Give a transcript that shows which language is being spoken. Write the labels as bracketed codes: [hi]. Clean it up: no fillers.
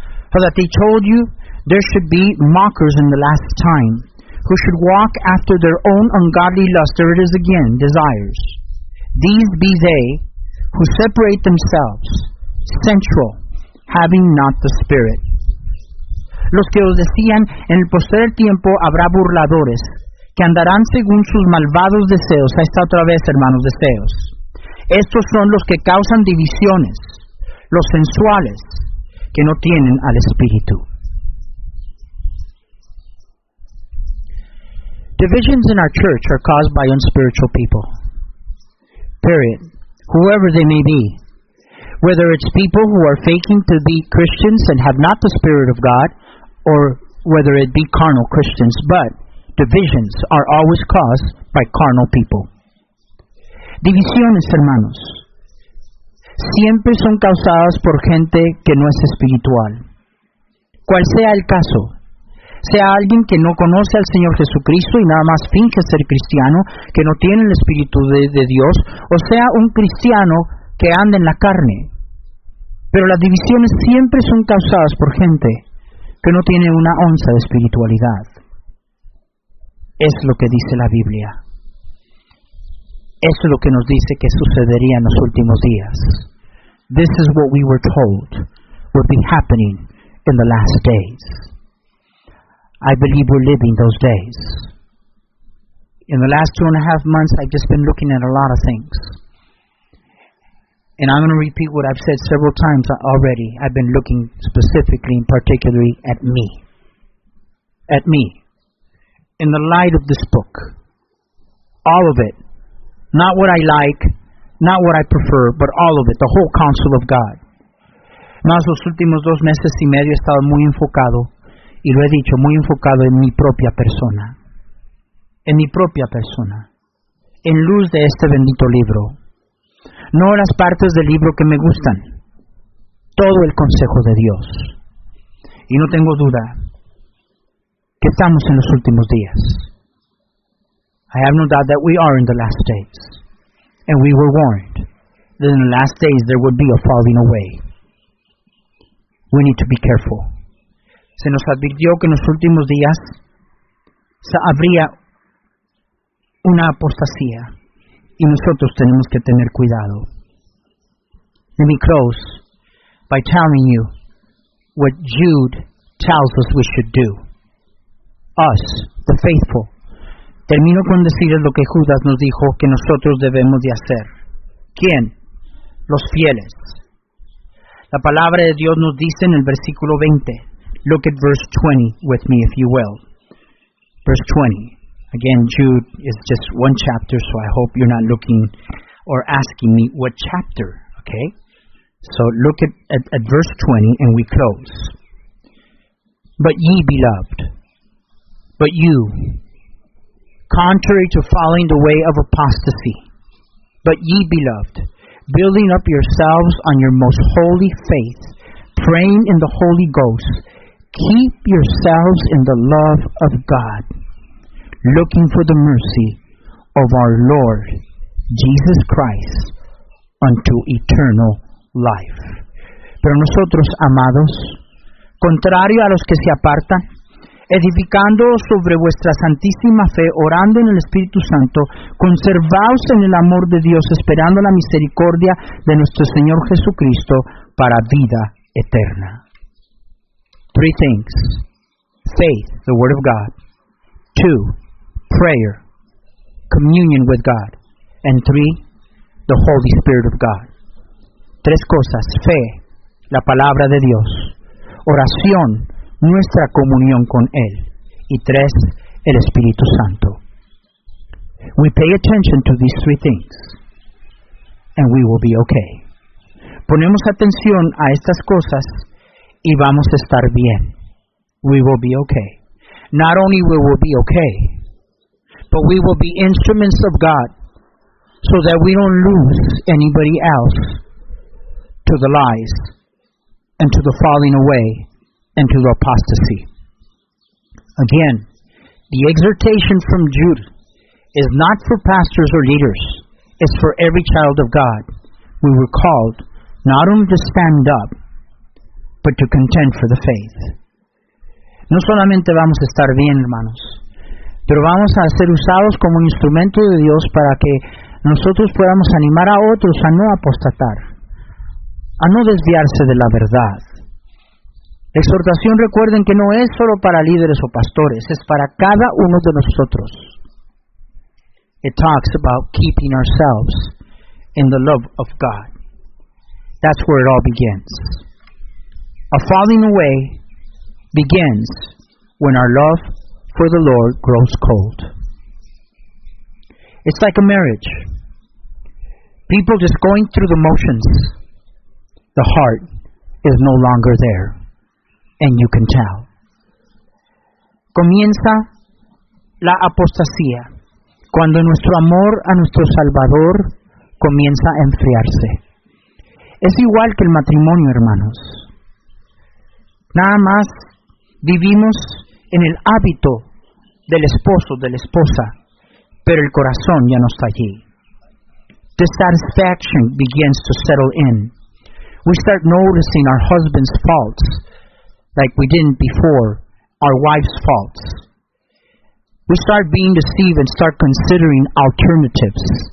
[en] For that they told you there should be mockers in the last time, who should walk after their own ungodly lust. There it is again, desires. These be they who separate themselves, sensual, having not the Spirit. [es] Los que os decían, en el postrer tiempo habrá burladores, que andarán según sus malvados deseos. Ahí está otra vez, hermanos, deseos. Estos son los que causan divisiones, los sensuales, que no tienen al Espíritu. [en] Divisions in our church are caused by unspiritual people. Period. Whoever they may be. Whether it's people who are faking to be Christians and have not the Spirit of God, or whether it be carnal Christians. But divisions are always caused by carnal people. [es] Divisiones, hermanos, siempre son causadas por gente que no es espiritual. Cual sea el caso, sea alguien que no conoce al Señor Jesucristo y nada más finge ser cristiano, que no tiene el Espíritu de Dios, o sea un cristiano que anda en la carne. Pero las divisiones siempre son causadas por gente que no tiene una onza de espiritualidad. Es lo que dice la Biblia. Eso es lo que nos dice que sucedería en los últimos días. [en] This is what we were told would be happening in the last days. I believe we're living those days. In the last 2.5 months, I've just been looking at a lot of things. And I'm going to repeat what I've said several times already. I've been looking specifically and particularly at me. At me. In the light of this book. All of it. Not what I like, not what I prefer, but all of it, the whole counsel of God. [es] Más los últimos 2 meses y medio he estado muy enfocado, y lo he dicho, muy enfocado en mi propia persona. En mi propia persona. En luz de este bendito libro. No las partes del libro que me gustan. Todo el consejo de Dios. Y no tengo duda que estamos en los últimos días. [en] I have no doubt that we are in the last days. And we were warned that in the last days there would be a falling away. We need to be careful. [es] Se nos advirtió que en los últimos días se habría una apostasía. Y nosotros tenemos que tener cuidado. [en] Let me close by telling you what Jude tells us we should do. us, the faithful. [es] Termino con decir lo que Judas nos dijo que nosotros debemos de hacer. ¿Quién? Los fieles. La palabra de Dios nos dice en el versículo 20. [en] Look at verse 20 with me, if you will. Verse 20. Again, Jude is just one chapter, so I hope you're not looking or asking me what chapter, okay? So look at verse 20 and we close. But ye, beloved, but you, contrary to following the way of apostasy, but ye, beloved, building up yourselves on your most holy faith, praying in the Holy Ghost, keep yourselves in the love of God, looking for the mercy of our Lord Jesus Christ unto eternal life. [es] Pero nosotros, amados, contrario a los que se apartan, edificándoos sobre vuestra santísima fe, orando en el Espíritu Santo, conservaos en el amor de Dios, esperando la misericordia de nuestro Señor Jesucristo para vida eterna. [en] Three things. Faith, the Word of God. Two, prayer, communion with God. And three, the Holy Spirit of God. [es] Tres cosas. Fe, la palabra de Dios. Oración, nuestra comunión con Él. Y tres, el Espíritu Santo. [en] We pay attention to these three things, and we will be okay. [es] Ponemos atención a estas cosas, y vamos a estar bien. [en] We will be okay. Not only we will be okay, but we will be instruments of God, so that we don't lose anybody else to the lies, and to the falling away, and to the apostasy. Again, the exhortation from Jude is not for pastors or leaders. It's for every child of God. We were called not only to stand up, but to contend for the faith. [es] No solamente vamos a estar bien, hermanos, pero vamos a ser usados como un instrumento de Dios para que nosotros podamos animar a otros a no apostatar, a no desviarse de la verdad. La exhortación, recuerden que no es solo para líderes o pastores, es para cada uno de nosotros. [en] It talks about keeping ourselves in the love of God. That's where it all begins. A falling away begins when our love for the Lord grows cold. It's like a marriage. People just going through the motions. The heart is no longer there. And you can tell. [es] Comienza la apostasía cuando nuestro amor a nuestro Salvador comienza a enfriarse. Es igual que el matrimonio, hermanos. Nada más vivimos en el hábito del esposo, de la esposa, pero el corazón ya no está allí. [en] Dissatisfaction begins to settle in. We start noticing our husband's faults, like we didn't before, our wife's faults. We start being deceived and start considering alternatives.